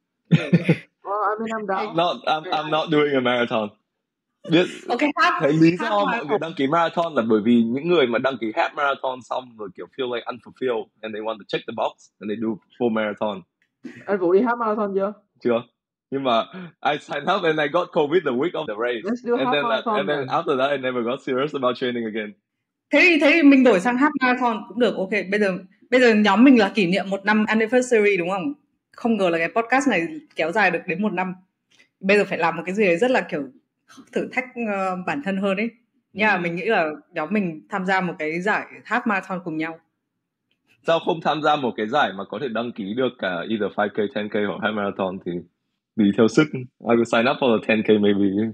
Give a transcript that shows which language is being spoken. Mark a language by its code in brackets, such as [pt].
[en] I'm not doing a marathon. [vi] Biết. Okay, thấy lý do mọi người đăng ký marathon là bởi vì những người mà đăng ký half marathon xong rồi kiểu [en] feel like unfulfilled and they want to check the box and they do full marathon. [vi] Anh Vũ đi half marathon chưa? Chưa. Nhưng mà [en] I signed up and I got COVID the week of the race. Let's do and half then marathon. And then after that I never got serious about training again. [vi] Thế thì mình đổi sang half marathon cũng được. Okay, bây giờ nhóm mình là kỷ niệm 1 năm anniversary đúng không? Không ngờ là cái podcast này kéo dài được đến 1 năm. Bây giờ phải làm một cái gì đấy rất là kiểu thử thách bản thân hơn ấy. Nhưng mình nghĩ là nhóm mình tham gia một cái giải half marathon cùng nhau. Sao không tham gia một cái giải mà có thể đăng ký được cả either 5K, 10K hoặc half marathon thì tùy theo sức. [en] I will sign up for the 10K maybe.